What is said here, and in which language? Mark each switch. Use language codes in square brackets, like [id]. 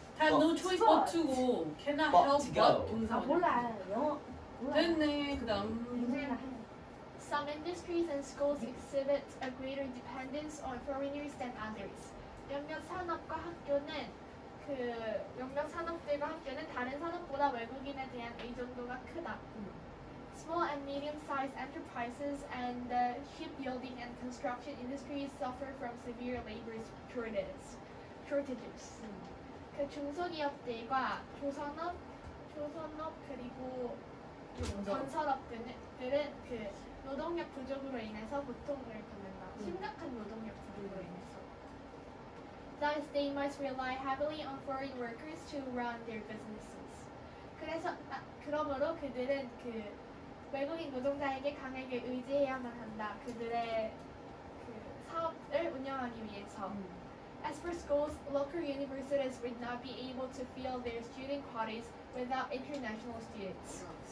[en] Have no choice but to고 cannot help but 동사. [ko] 몰라. 됐네. 그다음. [en] Some industries and schools exhibit a greater dependence on foreigners than others. [ko] 몇몇 산업과 학교는 그 몇몇 산업들과 함께는 다른 산업보다 외국인에 대한 의존도가 크다. [en] Small and medium-sized enterprises and the shipbuilding and construction industries suffer from severe labor shortages. [ko] 그 중소기업들과 조선업 그리고 건설업들은 그 노동력 부족으로 인해서 고통을 받는다. 심각한 노동력 부족으로 인해서. [en] Thus, they must rely heavily on foreign workers to run their businesses. [ko] 그래서 그러므로 그들은 그 외국인 노동자에게 강하게 의지해야만 한다. 그들의 그 사업을 운영하기 위해서. [en] As for schools, local universities would not be able to fill their student quotas without international students.